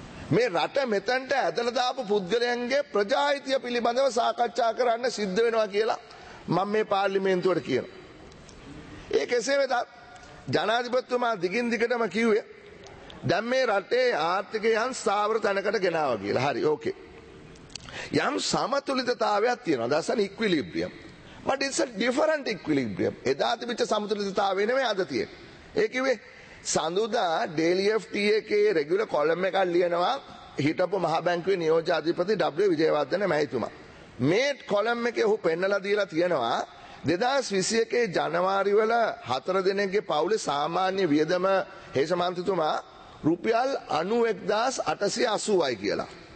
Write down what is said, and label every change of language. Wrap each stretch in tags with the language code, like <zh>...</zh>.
<si>මේ රට මෙතනට ඇදලා දාපු පුද්ගලයන්ගේ ප්‍රජායිතිය පිළිබඳව සාකච්ඡා කරන්න සිද්ධ වෙනවා කියලා මම මේ පාර්ලිමේන්තුවට කියනවා. ඒ කෙසේ වෙතත් ජනාධිපතිතුමා දිගින් දිගටම කිව්වේ දැන් මේ රටේ ආර්ථිකයන් ස්ථාවර තැනකට ගෙනාවා කියලා. හරි, ඕකේ. යම් සමතුලිතතාවයක් තියෙනවා.</si> <en>That's an equilibrium. But it's a different equilibrium.</en> <si>එදා තිබිච්ච සමතුලිතතාවය නෙමෙයි අද තියෙන්නේ. ඒ කිව්වේ සඳුදා Daily FT එකේ</si> <en>regular column</en> <si>එකක් ලියනවා හිටපු මහ බැංකුවේ නියෝජ්‍ය අධිපති W විජේවර්ධන මහත්මයා. මේ column එකේ ඔහු පෙන්නලා දීලා තියෙනවා 2021 ජනවාරි වල 4 දිනකගේ පවුලේ සාමාන්‍ය වියදම හේසමන්තතුමා රුපියල් 91,880යි කියලා.</si>